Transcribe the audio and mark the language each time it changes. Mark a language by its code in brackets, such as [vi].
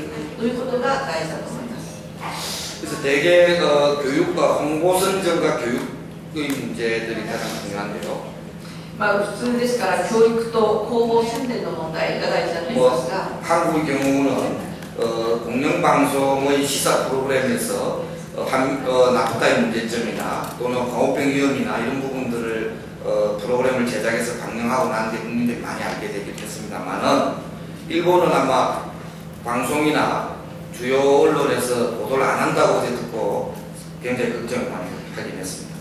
[ja] ですから外国の事例をよく調べて日本の国民の情緒に合った形で実感の湧く恐怖感というものを与えていくということが大事だと思います。 [ko] 그래서 대개 교육과 홍보 선전과 교육의 문제들이 가장 중요한데요. [ja] 普通ですから教育と広報宣伝の問題が大事だと思いますが [ko] 한국의 경우는 공영방송의 시사 프로그램에서 나프타의 문제점이나 또는 광우병 위험이나 이런 부분들을 프로그램을 제작해서 방영하고 난 뒤에 국민들이 많이 알게 되긴 했습니다만은 일본은 아마 방송이나 주요 언론에서 보도를 안 한다고 듣고 굉장히 걱정을 많이 하긴 했습니다.